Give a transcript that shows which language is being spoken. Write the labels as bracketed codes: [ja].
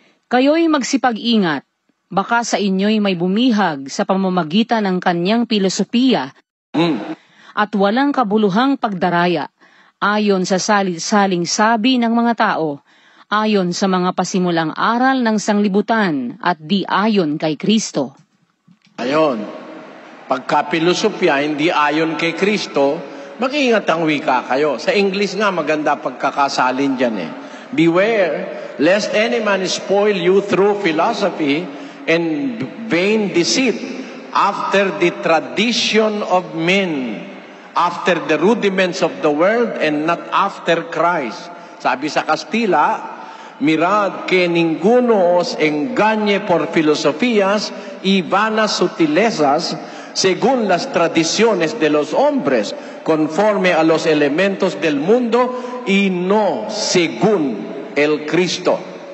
[tl] Kayo'y magsipag-ingat, baka sa inyo'y may bumihag sa pamamagitan ng kanyang filosofiya at walang kabuluhang pagdaraya ayon sa salit-saling sabi ng mga tao, ayon sa mga pasimulang aral ng sanglibutan at di ayon kay Kristo. Ayon, pagka-filosofya hindi ayon kay Kristo, mag-ingat ang wika kayo. Sa English nga, maganda pagkakasalin dyan eh. [en] Beware, lest any man spoil you through philosophy and vain deceit after the tradition of men, after the rudiments of the world, and not after Christ. [tl] Sabi sa Kastila, [es] mirad que ninguno os engañe por filosofías y vanas sutilezas según las tradiciones de los hombres, conforme a los elementos del mundo y no según el Cristo.